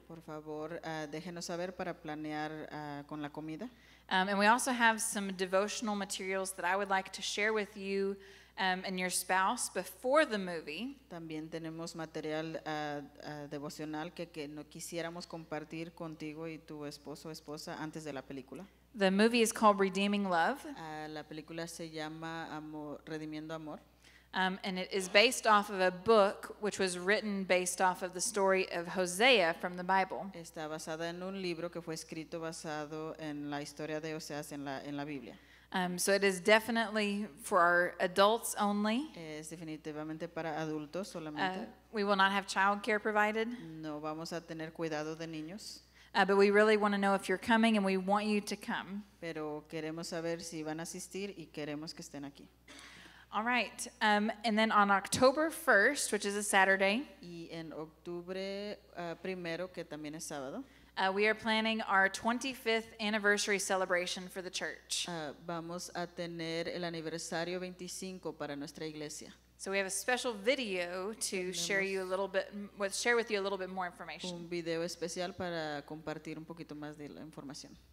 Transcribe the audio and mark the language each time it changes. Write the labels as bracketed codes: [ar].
[es] Por favor, déjenos saber para planear con la comida. [en] And we also have some devotional materials that I would like to share with you And your spouse before the movie. [es] También tenemos material devocional que no quisiéramos compartir contigo y tu esposo o esposa antes de la película. [en] The movie is called Redeeming Love. [es] La película se llama Redimiendo Amor. [en] And it is based off of a book which was written based off of the story of Hosea from the Bible. [es] Está basada en un libro que fue escrito basado en la historia de Oseas en la Biblia. [en] So it is definitely for our adults only. [es] Es definitivamente para adultos solamente. [en] We will not have child care provided. [es] No vamos a tener cuidado de niños. [en] But we really want to know if you're coming, and we want you to come. [es] Pero queremos saber si van a asistir y queremos que estén aquí. [en] All right. And then on October 1st, which is a Saturday. [es] Y en octubre primero, que también es sábado. [en] We are planning our 25th anniversary celebration for the church. [es] Vamos a tener el aniversario 25 para nuestra iglesia. [en] So we have a special video to share with you a little bit more information. [es] Un video especial para compartir un poquito más de la información.